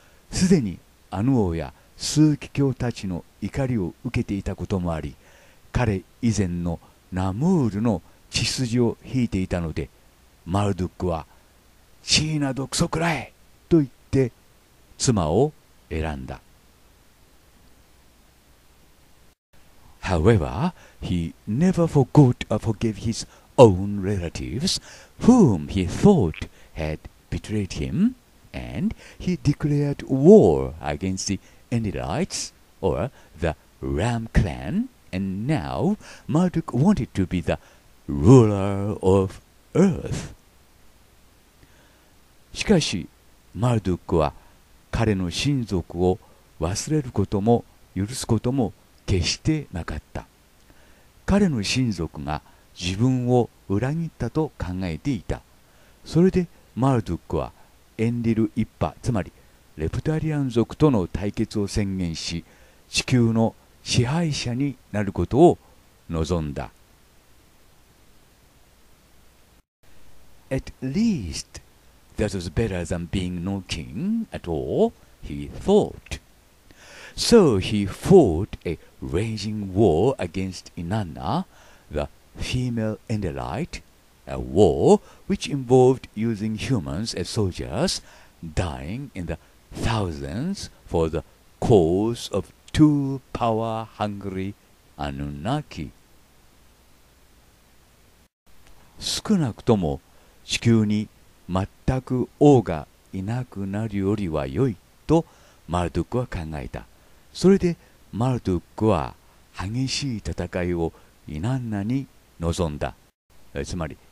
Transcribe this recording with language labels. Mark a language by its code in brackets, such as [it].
[ja] すでにアヌ王や枢機卿たちの怒りを受けていたこともあり、彼以前のナムールの血筋を引いていたので、マルドックは地位などクソくらえと言って妻を選んだ。 [en] However, he never forgot or forgave his own relatives, whom he thought had betrayed him, and he declared war against the Enlilites, or the Ram clan, and now Marduk wanted to be the ruler of Earth. [ja] しかし、マルドックは彼の親族を忘れることも許すことも決してなかった。彼の親族が自分を裏切ったと考えていた。それでマルドックはエンリル一派、つまりレプタリアン族との対決を宣言し、地球の支配者になることを望んだ。 [en] At least that was better than being no king at all, he thought. So he fought araging war against Inanna, the female Enlilite, a war which involved using humans as soldiers, dying in the thousands for the cause of two power-hungry Anunnaki. [ja] 少なくとも地球に全く王がいなくなるよりは良いとマルドックは考えた。それでマルドックは激しい戦いをイナンナに望んだ。つまり